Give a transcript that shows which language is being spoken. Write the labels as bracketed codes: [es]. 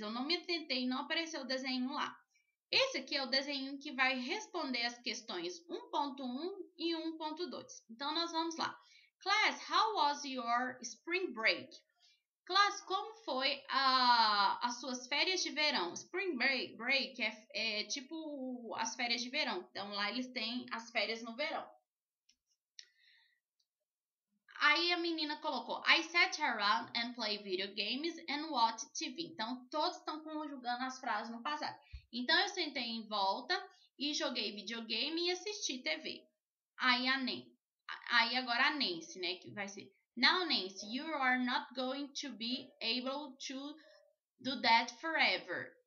[pt] Eu não me atentei, não apareceu o desenho lá. Esse aqui é o desenho que vai responder as questões 1.1 e 1.2. Então, nós vamos lá. [en] Class, how was your spring break? [pt] Class, como foi as suas férias de verão? Spring break é tipo as férias de verão. Então, lá eles têm as férias no verão. Aí a menina colocou, [en] I sat around and played video games and watched TV. [pt] Então, todos estão conjugando as frases no passado. Então, eu sentei em volta e joguei videogame e assisti TV. Aí agora a Nancy, né, que vai ser, [en] now Nancy, you are not going to be able to do that forever.